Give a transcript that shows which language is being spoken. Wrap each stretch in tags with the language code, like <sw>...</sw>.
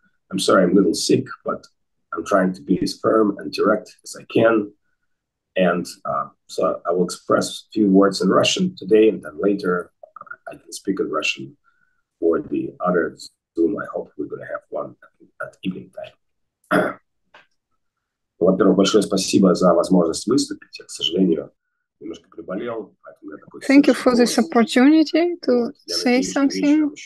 <en>I'm sorry, I'm a little sick, but I'm trying to be as firm and direct as I can. And so I will express a few words in Russian today, and then later I can speak in Russian for the others. Zoom, I hope we're going to have one at evening time.</en> <ru>Во-первых, большое спасибо за возможность выступить. Я, к сожалению, немножко приболел.</ru> <en>Thank you for this opportunity to say something.</en>